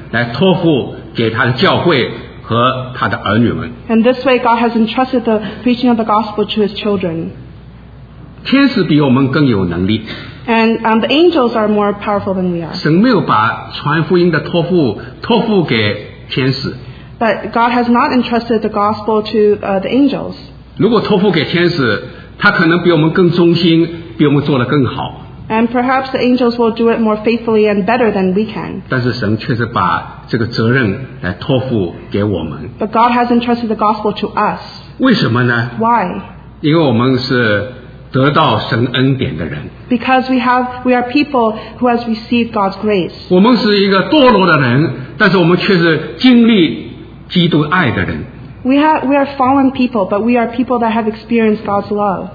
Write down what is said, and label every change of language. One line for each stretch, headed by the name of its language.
Chinese: 神就把这样的一个责任来托付给他的教会,
English: and this way God has entrusted the preaching of the gospel to his children.
Chinese: 天使比我们更有能力。
English: And the angels are more powerful than we are.
Chinese: 神没有把传福音的托付给天使。
English: But God has not entrusted the gospel to the angels.
Chinese: 如果托付给天使, 他可能比我们更忠心, 比我们做得更好。
English: And perhaps the angels will do it more faithfully and better than we can.
Chinese: 但是神确实把这个责任来托付给我们。
English: But God has entrusted the gospel to us.
Chinese: 为什么呢?
English: Why?
Chinese: 因为我们是得到神恩典的人。
English: Because we are people who has received God's grace.
Chinese: 我们是一个堕落的人, 但是我们却是经历基督爱的人。
English: We are fallen people, but we are people that have experienced God's love.